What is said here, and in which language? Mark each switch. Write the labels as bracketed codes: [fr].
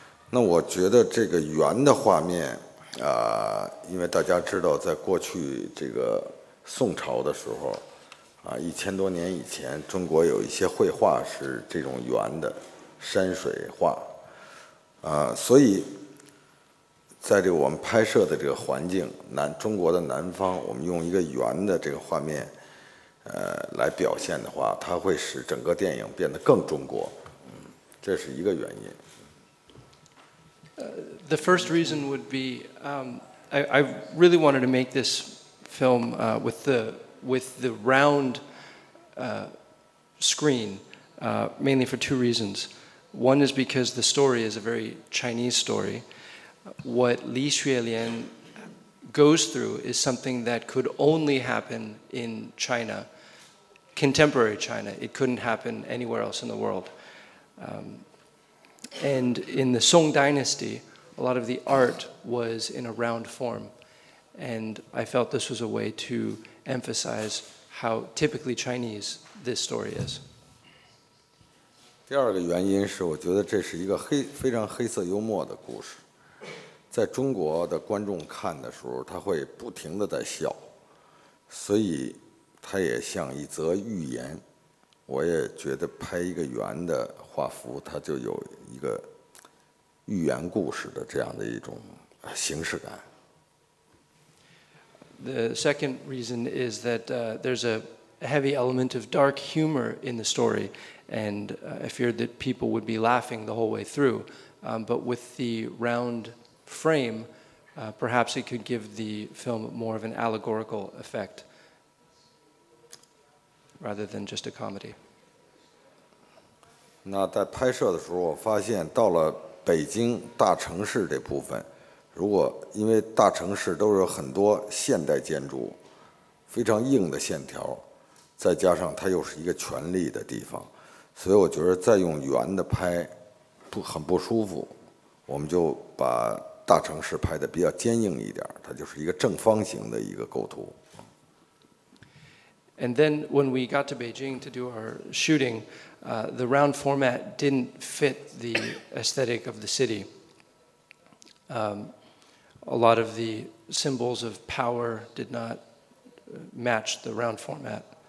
[zh] 那我觉得这个圆的画面因为大家知道，在过去这个宋朝的时候一千多年以前，中国有一些绘画是这种圆的山水画所以在这个我们拍摄的这个环境，中国的南方，我们用一个圆的这个画面来表现的话，它会使整个电影变得更中国，这是一个原因。 [en] The first reason would be, I really wanted to make this film with the round screen, mainly for two reasons. One is because the story is a very Chinese story. What Li Xuelian goes through is something that could only happen in China, contemporary China. It couldn't happen anywhere else in the world. And in the Song Dynasty, a lot of the art was in a round form. And I felt this was a way to emphasize how typically Chinese this story is. [zh] 第二个原因是，我觉得这是一个非常黑色幽默的故事。在中国的观众看的时候，他会不停地在笑，所以它也像一则寓言。我也觉得拍一个圆的画幅，它就有一个寓言故事的这样的一种形式感。 [en] The second reason is that there's a heavy element of dark humor in the story, and I feared that people would be laughing the whole way through. But with the round frame, perhaps it could give the film more of an allegorical effect rather than just a comedy. [zh] 那在拍摄的时候，我发现到了北京大城市这部分，如果因为大城市都有很多现代建筑，非常硬的线条，再加上它又是一个权力的地方，所以我觉得再用圆的拍很不舒服，我们就把大城市拍得比较坚硬一点，它就是一个正方形的一个构图。 [en] And then when we got to Beijing to do our shooting, the round format didn't fit the aesthetic of the city. A lot of the symbols of power did not match the round format.